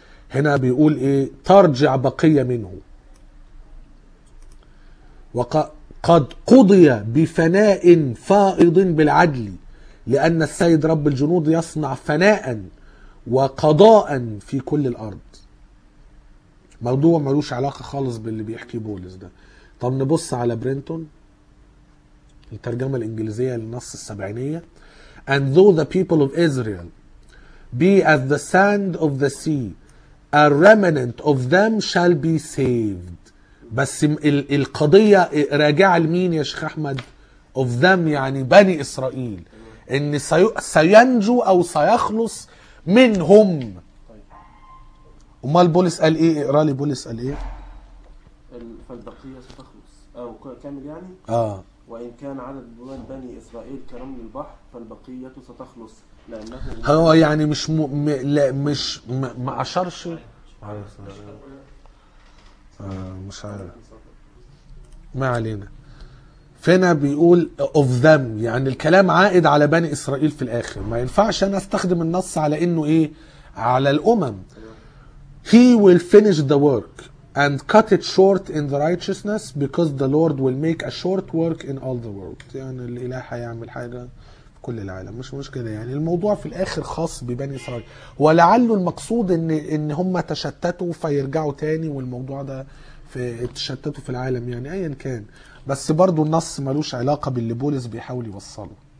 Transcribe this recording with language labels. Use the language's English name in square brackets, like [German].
[Arabic] هنا بيقول ايه؟ ترجع بقية منه، وقد قضي بفناء فائض بالعدل، لأن السيد رب الجنود يصنع فناء وقضاء في كل الأرض. موضوع ملوش علاقة خالص باللي بيحكي بولس ده. طب نبص على برينتون، الترجمة الإنجليزية للنص السبعينية: [English] And though the people of Israel be as the sand of the sea, a remnant of them shall be saved. [Arabic] بس القضية راجعة لمين يا شيخ أحمد؟ [English] Of them [Arabic] يعني بني إسرائيل، إن سينجو أو سيخلص منهم. أمال بولس قال إيه؟ اقرأ لي بولس قال إيه؟ فالبقية ستخلص، أو كامل يعني؟ آه. وإن كان عدد بني إسرائيل كرمل البحر فالبقية ستخلص، لأنه هو يعني مش م... م... لا مش م... ما أشرش مش عارف، ما علينا. فينا بيقول [English] of them، [Arabic] يعني الكلام عائد على بني إسرائيل في الآخر. ما ينفعش أنا أستخدم النص على إنه إيه؟ على الأمم. [English] He will finish the work and cut it short in the righteousness, because the Lord will make a short work in all the world. [Arabic] يعني الإله هيعمل حاجة في كل العالم، مش مشكلة. يعني الموضوع في الآخر خاص ببني إسرائيل، ولعله المقصود إن هم تشتتوا فيرجعوا تاني، والموضوع ده في تشتتوا في العالم يعني أيا كان. بس برضو النص ملوش علاقة باللي بولس بيحاول يوصله.